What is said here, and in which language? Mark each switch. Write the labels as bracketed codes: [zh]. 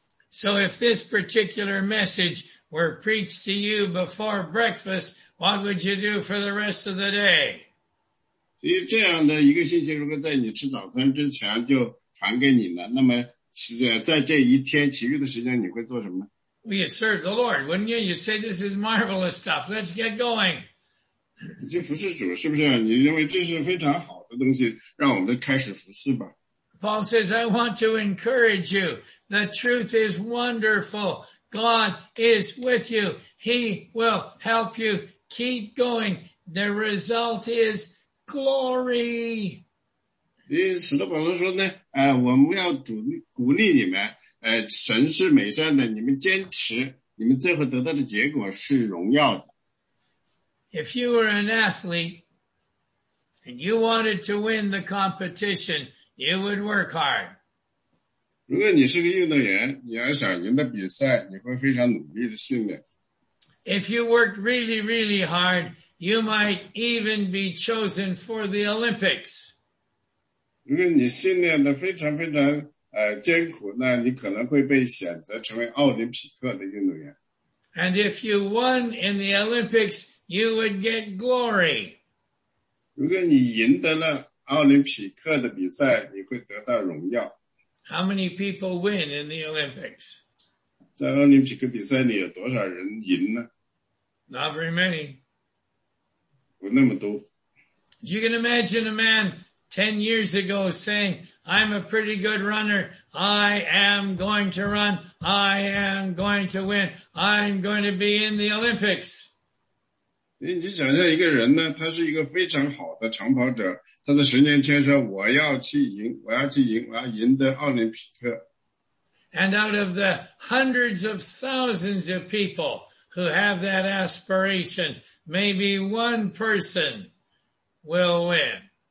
[en] So if this particular message were preached to you before breakfast, what would you do for the rest of the day? [zh] 所以这样的一个信息如果在你吃早餐之前就传给你了，那么在这一天其余的时间你会做什么？ [en] Well, you'd serve the Lord, wouldn't you? You'd say, this is marvelous stuff. Let's get going. [zh] 你就服侍主，是不是？你认为这是非常好的东西，让我们开始服侍吧。 [en] Paul says, I want to encourage you. The truth is wonderful. God is with you. He will help you. Keep going. The result is glory. [zh] 使徒保罗说呢，我们要鼓励你们，神是美善的，你们坚持，你们最后得到的结果是荣耀的。 [en] If you were an athlete and you wanted to win the competition,You would work hard. [zh] 如果你是个运动员，你要想赢得比赛，你会非常努力的训练。 [en] If you worked really, really hard, you might even be chosen for the Olympics. [zh] 如果你训练的非常非常艰苦，那你可能会被选择成为奥林匹克的运动员。 [en] And if you won in the Olympics, you would get glory. [zh] 如果你赢得了奥林匹克的比赛，你会得到荣耀。 [en] How many people win in the Olympics? [zh] 在奥林匹克比赛里有多少人赢呢？ [en] Not very many. [zh] 不那么多。 [en] You can imagine a man 10 years ago saying, I'm a pretty good runner. I am going to run. I am going to win. I'm going to be in the Olympics. [zh] 你想象一个人呢，他是一个非常好的长跑者，他在10年前说，我要去赢，我要去赢，我要赢得奥林匹克。 [en] And out of the hundreds of thousands of people who have that aspiration, maybe one person will win.